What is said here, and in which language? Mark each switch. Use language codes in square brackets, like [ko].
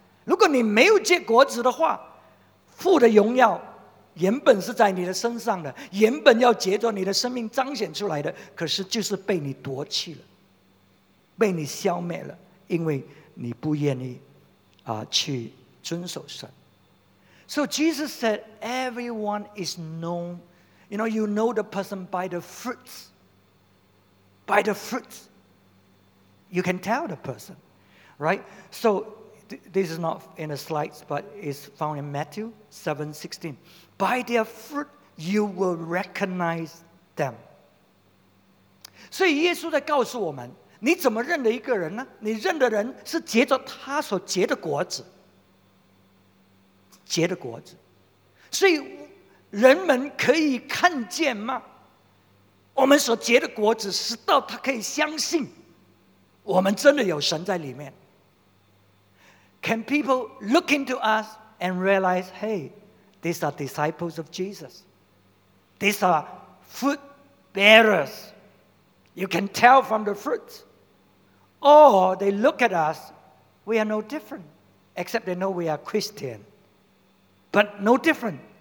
[zh] 如果你没有结果子的话，父的荣耀原本是在你的身上的，原本要结着你的生命彰显出来的，可是就是被你夺去了，被你消灭了，因为你不愿意去遵守神。 [en] So Jesus said everyone is known, you know, you know the person by the fruits. By the fruits you can tell the person, right? So this is not in the slides, but it's found in Matthew 7:16. By their fruit you will recognize them. [zh] 所以耶稣在告诉我们，你怎么认得一个人呢？你认的人是结着他所结的果子，结的果子。所以人们可以看见吗？我们所结的果子，使到他可以相信我们真的有神在里面。 [en] Can people look into us and realize, hey, these are disciples of Jesus. These are fruit bearers. You can tell from the fruits. Or they look at us, we are no different, except they know we are Christian. But no different.